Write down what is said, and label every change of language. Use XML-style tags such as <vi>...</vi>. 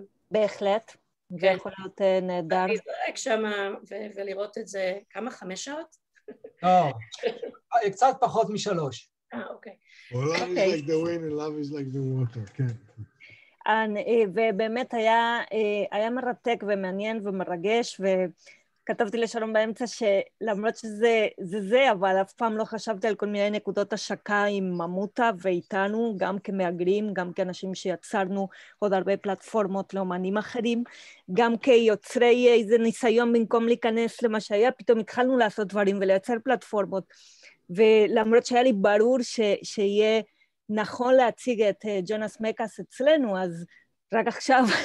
<he>בהחלט, זה יכול להיות נהדר. להזרק שם ולראות את זה כמה, חמש שעות? לא, קצת פחות משלוש. אוקיי.</he> <en>Love is like the wind and love is like the water, כן.</en> <he>ובאמת היה מרתק ומעניין ומרגש, ו... כתבתי לשלום באמצע שלמרות שזה זה זה, אבל אף פעם לא חשבתי על כל מיני נקודות השקה עם ממוטה ואיתנו, גם כמאגרים, גם כאנשים שיצרנו עוד הרבה פלטפורמות לאומנים אחרים, גם כיוצרי איזה ניסיון במקום להיכנס למה שהיה, פתאום התחלנו לעשות דברים ולייצר פלטפורמות, ולמרות שהיה לי ברור שיהיה נכון להציג את ג'ונס מקס אצלנו, אז רק עכשיו...</he>